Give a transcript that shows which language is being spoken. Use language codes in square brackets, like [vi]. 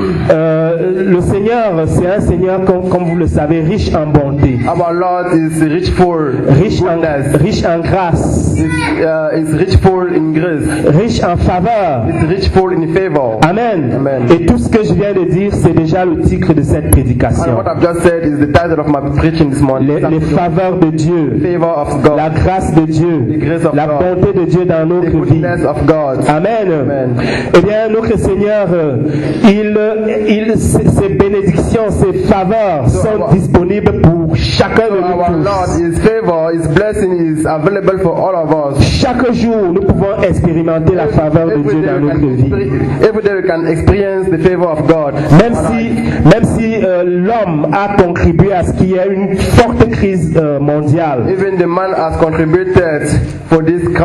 [fr] le Seigneur, c'est un Seigneur, comme vous le savez, riche en bonté. [en] Our Lord is rich for goodness. [fr] Riche en grâce. [en] Is rich for in grace. [fr] Riche en faveur. [en] It's rich for in favor. Amen. Amen. [fr] Et tout ce que je viens de dire, c'est déjà le titre de cette prédication. [en] And what I've just said is the title of my preaching this morning. [fr] Les faveurs de Dieu. [en] Favor of God. [fr] La grâce de Dieu. [en] The grace of [fr] la [en] God. [fr] La bonté de Dieu dans nos cœurs. [en] Of God. Amen. Amen. [fr] Eh bien, notre Seigneur, il, ses bénédictions, ses faveurs sont disponibles pour chacun de nous. [en] Our Lord, His favor, His blessing is available for all of us. [fr] Chaque jour, nous pouvons expérimenter la faveur de Dieu dans notre vie. [en] Every day we can experience the favor of God. [fr] Même si l'homme a contribué à ce qu'il y ait une forte crise mondiale. [en] Even the man has contributed for this.